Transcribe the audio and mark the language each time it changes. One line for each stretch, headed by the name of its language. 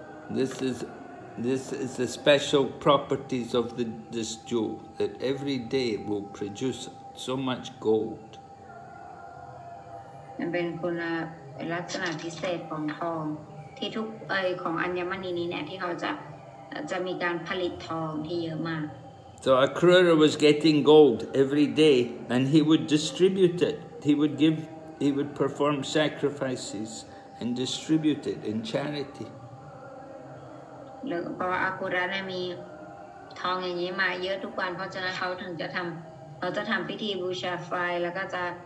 English: This is the special properties of this jewel that every day it will produce so much gold.
Thai: มันเป็นคุณลักษณะพิเศษของทองที่ทุกของอัญมณีนี้เนี่ยที่เขาจะมีการผลิตทองที่เยอะมาก
English: So Akrura was getting gold every day and he would distribute it he would perform sacrifices and distribute it in charity
Thai: แล้วพออัคคุระเนี่ยมีทองอย่างนี้มาเยอะทุกวันเพราะฉะนั้นเขาถึงจะทำเขาจะทำพิธีบูชาไฟแล้วก็จะ